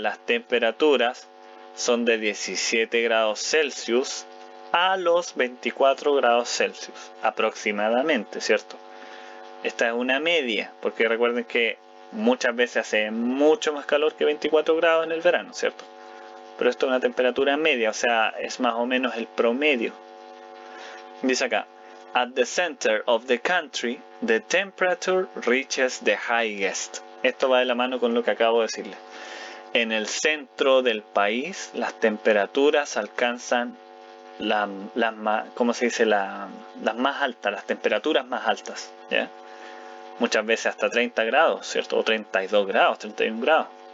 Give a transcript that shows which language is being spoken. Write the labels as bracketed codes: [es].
[es] Las temperaturas son de 17 grados Celsius a los 24 grados Celsius aproximadamente, ¿cierto? Esta es una media, porque recuerden que muchas veces hace mucho más calor que 24 grados en el verano, ¿cierto? Pero esto es una temperatura media, o sea, es más o menos el promedio. Dice acá, [en] at the center of the country, the temperature reaches the highest. [es] Esto va de la mano con lo que acabo de decirle. En el centro del país, las temperaturas alcanzan las temperaturas más altas, ¿ya? Muchas veces hasta 30 grados, ¿cierto? O 32 grados, 31 grados.